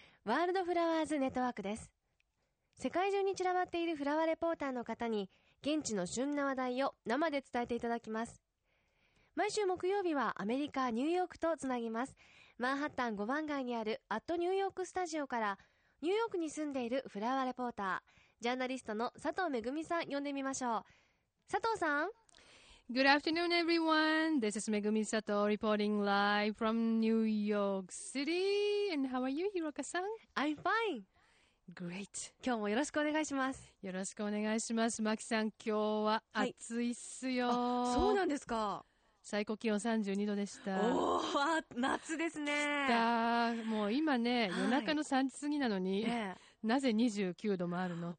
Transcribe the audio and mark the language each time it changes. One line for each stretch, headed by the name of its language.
Japanese: ワールドフラワーズネットワークです。世界中に散らばっているフラワーレポーターの方に現地の旬な話題を生で伝えていただきます。毎週木曜日はアメリカ・ニューヨークとつなぎます。マンハッタン5番街にあるアットニューヨークスタジオからニューヨークに住んでいるフラワーレポータージャーナリストの佐藤めぐみさん呼んでみましょう。佐藤さん。
English: Good afternoon everyone. This is Megumi Sato reporting live from New York City. And how are you, Hiroka-san? I'm fine. Great.
Japanese: 今日もよろしくお願いします。よろしくお願いします。マキさん、今日は暑いっすよ、はい、あ、そうなんですか。最高気温32度でした。おー、夏ですね。もう今ね、夜中の3時過ぎなのに、はい、なぜ29度もあるの。